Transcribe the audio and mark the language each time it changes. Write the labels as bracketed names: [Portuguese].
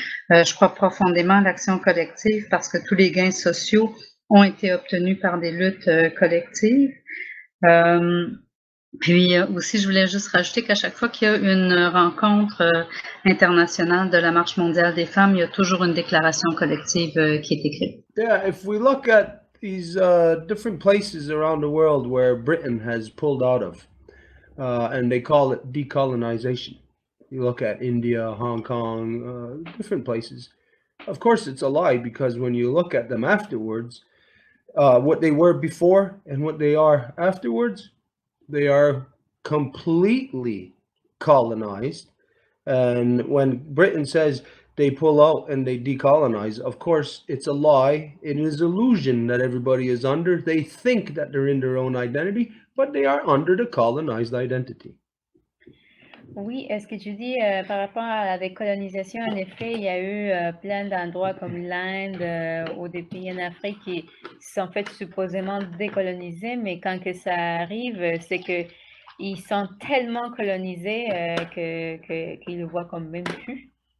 [French] Je crois profondément à l'action collective parce que tous les gains sociaux ont été obtenus par des luttes collectives. Puis aussi, je voulais juste rajouter qu'à chaque fois qu'il y a une rencontre internationale de la Marche mondiale des femmes, il y a toujours une déclaration collective qui est écrite. [English] Yeah, if we look at these different places around the world where Britain has pulled out of, and they call it decolonization. You look at India, Hong Kong, different places. Of course, it's a lie because when you look at them afterwards, what they were before and what they are afterwards, they are completely colonized. And when Britain says they pull out and they decolonize, of course, it's a lie. It is illusion that everybody is under. They think that they're in their own identity, but they are under the colonized identity. [French] Oui, est-ce que tu dis par rapport à la décolonisation, en effet, il y a eu plein d'endroits comme l'Inde ou des pays en Afrique qui sont faits supposément décolonisés, mais quand que ça arrive, c'est qu'ils sont tellement colonisés qu'ils le voient comme même plus.